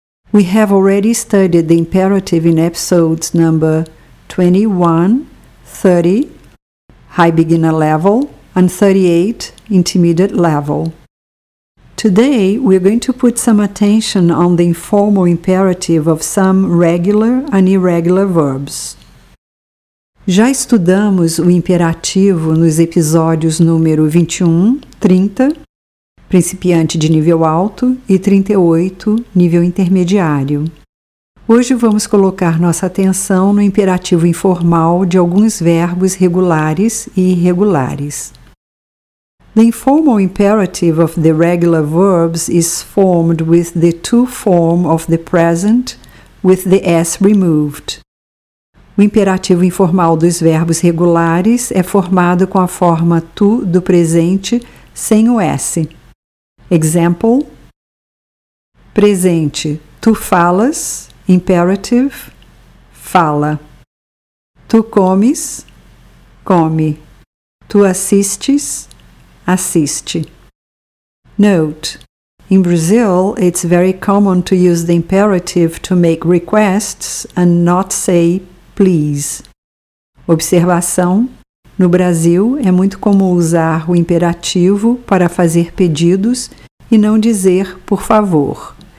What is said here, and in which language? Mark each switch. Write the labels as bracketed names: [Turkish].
[English] We have already studied the imperative in episodes number 21, 30, high beginner level, and 38, intermediate level. Today, we're going to put some attention on the informal imperative of some regular and irregular verbs. [Portuguese] Já estudamos o imperativo nos episódios número 21, 30, principiante de nível alto, e 38, nível intermediário. Hoje vamos colocar nossa atenção no imperativo informal de alguns verbos regulares e irregulares. [English] The informal imperative of the regular verbs is formed with the to form of the present with the s removed. [Portuguese] O imperativo informal dos verbos regulares é formado com a forma to do presente sem o s. Example: presente, tu falas, imperative, fala. Tu comes, come. Tu assistes, assiste. [English] Note: in Brazil, it's very common to use the imperative to make requests and not say please. [Portuguese] Observação: no Brasil, é muito comum usar o imperativo para fazer pedidos e não dizer por favor.